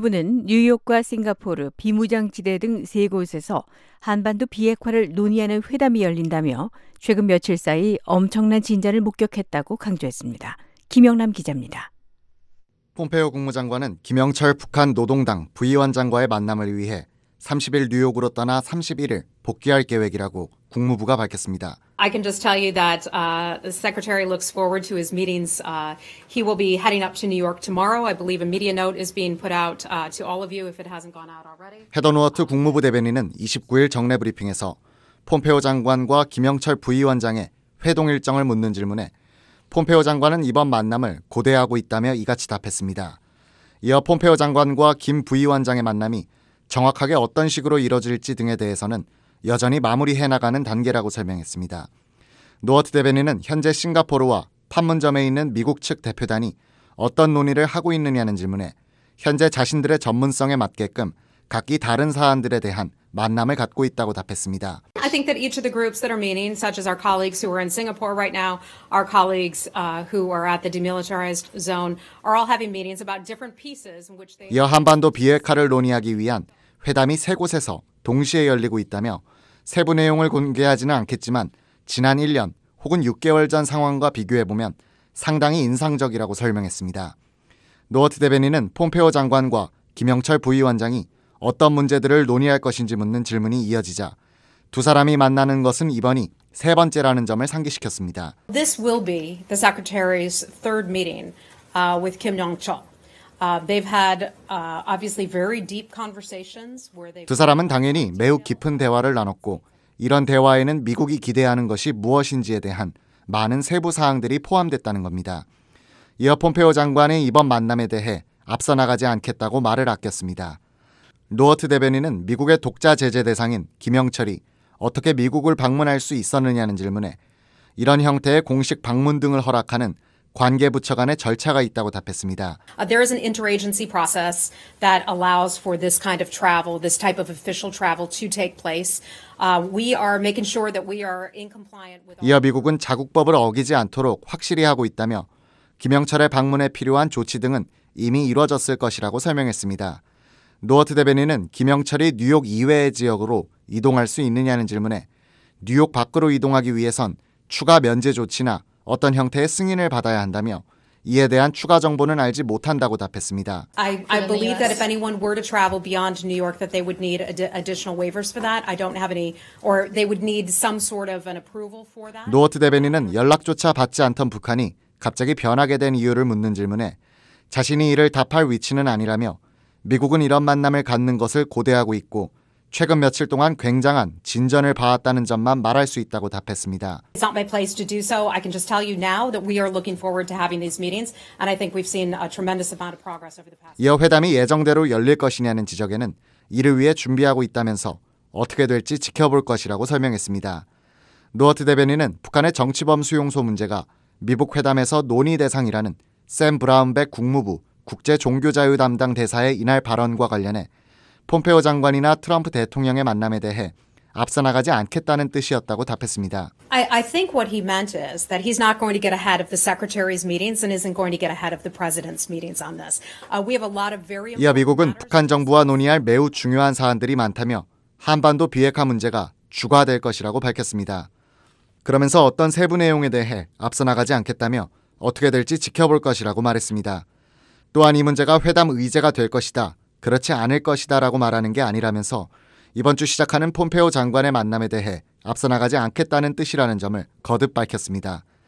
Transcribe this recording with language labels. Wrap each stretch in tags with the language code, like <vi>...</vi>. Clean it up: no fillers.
<ko>국무부는 뉴욕과 싱가포르, 비무장지대 등 세 곳에서 한반도 비핵화를 논의하는 회담이 열린다며 최근 며칠 사이 엄청난 진전을 목격했다고 강조했습니다. 김영남 기자입니다. 폼페오 국무장관은 김영철 북한 노동당 부위원장과의 만남을 위해 30일 뉴욕으로 떠나 31일 복귀할 계획이라고 국무부가 밝혔습니다.</ko> <en>I can just tell you that the secretary looks forward to his meetings. He will be heading up to New York tomorrow. I believe a media note is being put out to all of you if it hasn't gone out already.</en> <ko>헤더 노어트 국무부 대변인은 29일 정례 브리핑에서 폼페오 장관과 김영철 부위원장의 회동 일정을 묻는 질문에 폼페오 장관은 이번 만남을 고대하고 있다며 이같이 답했습니다. 이어 폼페오 장관과 김 부위원장의 만남이 정확하게 어떤 식으로 이뤄질지 등에 대해서는 여전히 마무리해 나가는 단계라고 설명했습니다. 노어트 대변인은 현재 싱가포르와 판문점에 있는 미국 측 대표단이 어떤 논의를 하고 있느냐는 질문에 현재 자신들의 전문성에 맞게끔 각기 다른 사안들에 대한 만남을 갖고 있다고 답했습니다.</ko> <en>I think that each of the groups that are meeting, such as our colleagues who are in Singapore right now, our colleagues who are at the demilitarized zone, are all having meetings about different pieces in which they.</en> <ko>이어 한반도 비핵화를 논의하기 위한 회담이 세 곳에서 동시에 열리고 있다며 세부 내용을 공개하지는 않겠지만 지난 1년 혹은 6개월 전 상황과 비교해보면 상당히 인상적이라고 설명했습니다. 노어트 대변인은 폼페오 장관과 김영철 부위원장이 어떤 문제들을 논의할 것인지 묻는 질문이 이어지자 두 사람이 만나는 것은 이번이 세 번째라는 점을 상기시켰습니다.</ko> <en>This will be the secretary's third meeting with Kim Jong-chol. They've had obviously very deep conversations where they</en> <ko>두 사람은 당연히 매우 깊은 대화를 나눴고 이런 대화에는 미국이 기대하는 것이 무엇인지에 대한 많은 세부 사항들이 포함됐다는 겁니다. 이어 폼페오 장관의 이번 만남에 대해 앞서 나가지 않겠다고 말을 아꼈습니다. 노어트 대변인은 미국의 독자 제재 대상인 김영철이 어떻게 미국을 방문할 수 있었느냐는 질문에 이런 형태의 공식 방문 등을 허락하는 관계 부처 간의 절차가 있다고 답했습니다.</ko> <en>There is an interagency process that allows for this kind of travel, this type of official travel to take place. We are making sure that we are in compliant with.</en> <ko>이어 미국은 자국법을 어기지 않도록 확실히 하고 있다며 김영철의 방문에 필요한 조치 등은 이미 이루어졌을 것이라고 설명했습니다. 노어트 대변인은 김영철이 뉴욕 이외의 지역으로 이동할 수 있느냐는 질문에 뉴욕 밖으로 이동하기 위해선 추가 면제 조치나 어떤 형태의 승인을 받아야 한다며 이에 대한 추가 정보는 알지 못한다고 답했습니다.</ko> <en>I believe that if anyone were to travel beyond New York that they would need additional waivers for that. I don't have any or they would need some sort of an approval for that.</en> <ko>노어트 대변인은 연락조차 받지 않던 북한이 갑자기 변하게 된 이유를 묻는 질문에 자신이 이를 답할 위치는 아니라며 미국은 이런 만남을 갖는 것을 고대하고 있고 최근 며칠 동안 굉장한 진전을 봐왔다는 점만 말할 수 있다고 답했습니다.</ko> <en>It's not my place to do so. I can just tell you now that we are looking forward to having these meetings and I think we've seen a tremendous amount of progress over the past.</en> <ko>이어 회담이 예정대로 열릴 것이냐는 지적에는 이를 위해 준비하고 있다면서 어떻게 될지 지켜볼 것이라고 설명했습니다. 노어트 대변인은 북한의 정치범 수용소 문제가 미북 회담에서 논의 대상이라는 샘 브라운백 국무부 국제종교자유 담당 대사의 이날 발언과 관련해 폼페오 장관이나 트럼프 대통령의 만남에 대해 앞서 나가지 않겠다는 뜻이었다고 답했습니다.</ko> <en>I think what he meant is that he's not going to get ahead of the secretary's meetings and isn't going to get ahead of the president's meetings on this. We have a lot of very.</en> <ko>이어 미국은 북한 정부와 논의할 매우 중요한 사안들이 많다며 한반도 비핵화 문제가 주가될 것이라고 밝혔습니다. 그러면서 어떤 세부 내용에 대해 앞서 나가지 않겠다며 어떻게 될지 지켜볼 것이라고 말했습니다. 또한 이 문제가 회담 의제가 될 것이다, 그렇지 않을 것이다 라고 말하는 게 아니라면서 이번 주 시작하는 폼페오 장관의 만남에 대해 앞서 나가지 않겠다는 뜻이라는 점을 거듭 밝혔습니다.</ko>